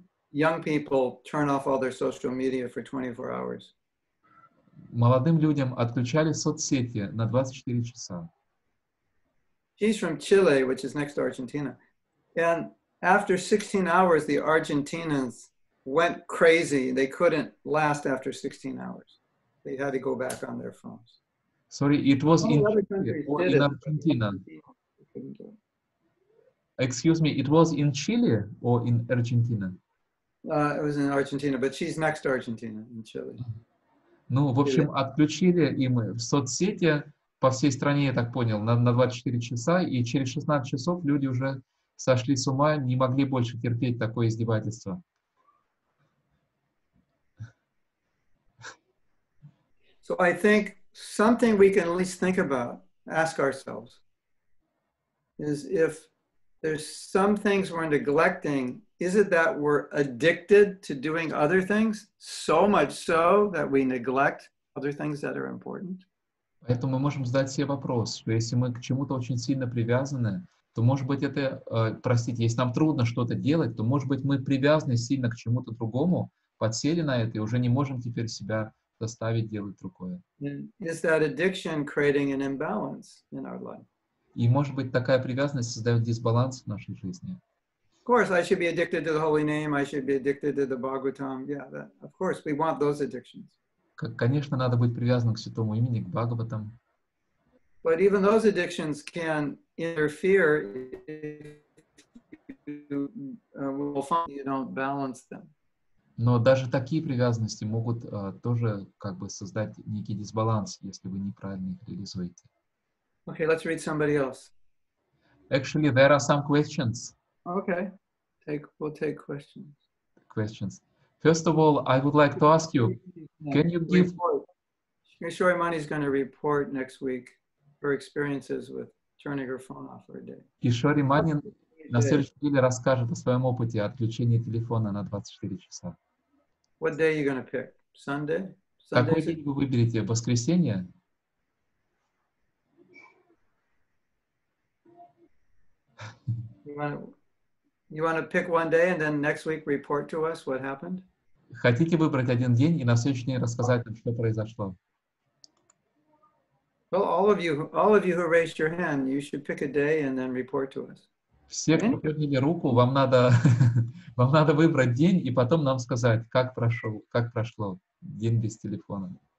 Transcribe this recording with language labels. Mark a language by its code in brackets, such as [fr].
[en] Young people turn off all their social media for 24 hours. [ru] Молодым людям отключали соцсети на 24 часа. [en] He's from Chile, which is next to Argentina. And after 16 hours, the Argentinians went crazy. They couldn't last after 16 hours. They had to go back on their phones. Sorry, it was in Argentina. Excuse me, it was in Chile or in Argentina? It was in Argentina, but she's next to Argentina, in Chile. [ru] Ну, в общем, отключили им в соцсети по всей стране, я так понял, на 24 часа, и через 16 часов люди уже сошли с ума, не могли больше терпеть такое издевательство. [en] So I think something we can at least think about, ask ourselves, is if there's some things we're neglecting. Is it that we're addicted to doing other things? So much so that we neglect other things that are important? [ru] Поэтому мы можем задать себе вопрос, что если мы к чему-то очень сильно привязаны, то, может быть, это, простите, если нам трудно что-то делать, то, может быть, мы привязаны сильно к чему-то другому, подсели на это и уже не можем теперь себя заставить делать другое. [en] Is that addiction creating an imbalance in our life? [ru] И, может быть, такая привязанность создает дисбаланс в нашей жизни. [en] Of course, I should be addicted to the holy name, I should be addicted to the Bhagavatam. Yeah, that, of course, we want those addictions. [ru] Конечно, надо быть привязанным к Святому имени, к Бхагаватам. [en] But even those addictions can interfere if you, you don't balance them. [ru] Но даже такие привязанности могут тоже как бы создать некий дисбаланс, если вы неправильно их реализуете. [en] Okay, let's read somebody else. Actually, there are some questions. Okay, we'll take questions. Questions. First of all, I would like to ask you, can you give... Shri Mani is going to report next week her experiences with turning her phone off for a day. [ru] Кишори Мани на следующей неделе расскажет о своем опыте отключения телефона на 24 часа. [en] What day are you going to pick? Sunday? [ru] Какой день вы выберете? Воскресенье? [en] You want to pick one day and then next week report to us what happened? [ru] Хотите выбрать один день и на следующий день рассказать нам, что произошло? [en] Well, all of you who raised your hand, you should pick a day and then report to us. [ru] Все, кто подняли руку, вам надо выбрать день и потом нам сказать, как прошло день без телефона.